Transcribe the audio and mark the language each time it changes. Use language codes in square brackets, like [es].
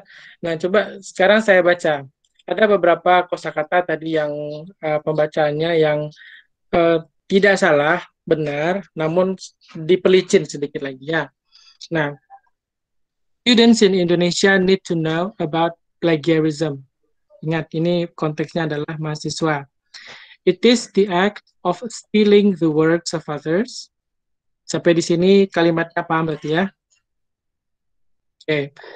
[id] Yeah. Nah, coba sekarang saya baca. Ada beberapa kosakata tadi yang pembacaannya yang tidak salah, benar, namun dipelicin sedikit lagi. Ya. [en] Nah, students in Indonesia need to know about plagiarism. [id] Ingat, ini konteksnya adalah mahasiswa. [en] It is the act of stealing the works of others. [id] Sampai di sini kalimatnya paham berarti ya? Okay.